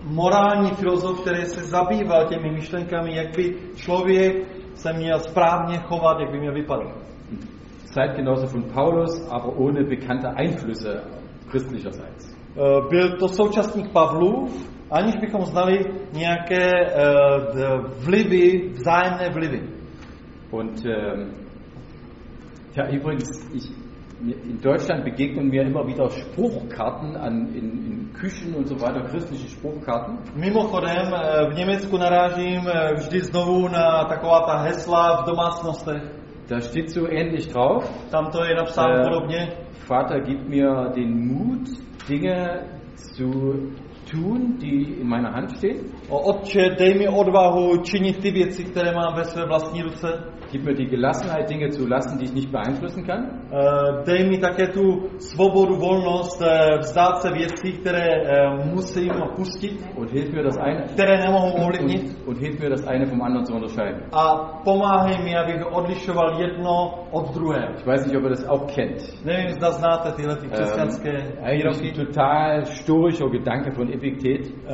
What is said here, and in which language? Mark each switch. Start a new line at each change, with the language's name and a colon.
Czech: Morální filozof, který se zabýval těmi myšlenkami, jak by člověk se měl správně chovat, jak by měl vypadat.
German: Zeitgenosse von Paulus, aber ohne bekannte Einflüsse christlicherseits.
Czech: Byl to současník Pavlův, aniž bychom znali nějaké vlivy, vzájemné vlivy.
German: Und ja, übrigens, in Deutschland begegnen mir immer wieder Spruchkarten in Küchen und so weiter, christliche Spruchkarten.
Czech: Mimochodem, v Německu narážím vždy znovu na taková ta hesla v domácnostech.
German: Da steht so ähnlich drauf.
Czech: Tam to je napsáno podobně.
German: Vater gibt mir den Mut, Dinge zu tun, die in meiner Hand stehen.
Czech: Otče, dej mi odvahu činit ty věci, které mám ve své vlastní ruce.
German: Gib mir die Gelassenheit, Dinge zu lassen, die ich nicht beeinflussen kann.
Czech: Dej mi také tu svobodu, volnost, vzdát se věcí, které musím opustit.
German: Und hilf mir das eine,
Czech: které nemohu ovlivnit.
German: Und hilf mir das eine vom anderen zu unterscheiden.
Czech: A pomáhej mi, abych odlišoval jedno od druhé.
German: Ich weiß nicht, ob ihr das auch kennt.
Czech: Nevím, zda znáte tyhle ty křesťanské výroky.
German: Ein total stoischer Gedanke von Epiktet.